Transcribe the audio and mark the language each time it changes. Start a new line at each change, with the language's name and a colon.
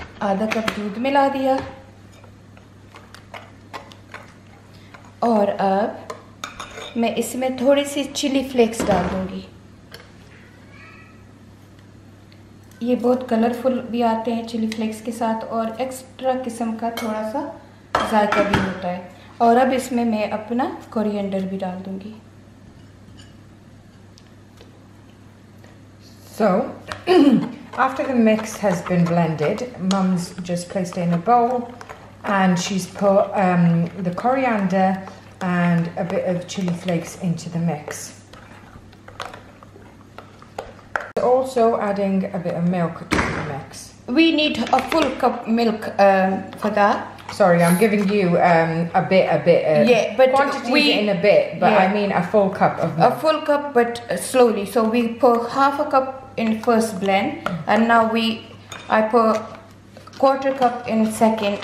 Urdu: آدھا کپ دودھ ملا دیا اور اب میں اس میں تھوڑی سی چلی فلیکس ڈال دوں گی. یہ بہت کلرفل بھی آتے ہیں چلی فلیکس کے ساتھ اور ایکسٹرا قسم کا تھوڑا سا ذائقہ بھی ہوتا ہے. اور اب اس میں میں اپنا کورینڈر بھی ڈال دوں گی.
English: So after the mix has been blended, mums just placed in a bowl and she has put the coriander and a bit of chilli flakes into the mix. Also adding a bit of milk to the mix. We need a full cup milk for that. Sorry, I'm giving you a bit of, yeah, but quantities we, in a bit, but yeah. I mean a full cup of milk. A full cup, but slowly. So we pour 1/2 cup in first blend, and now I pour 1/4 cup in second.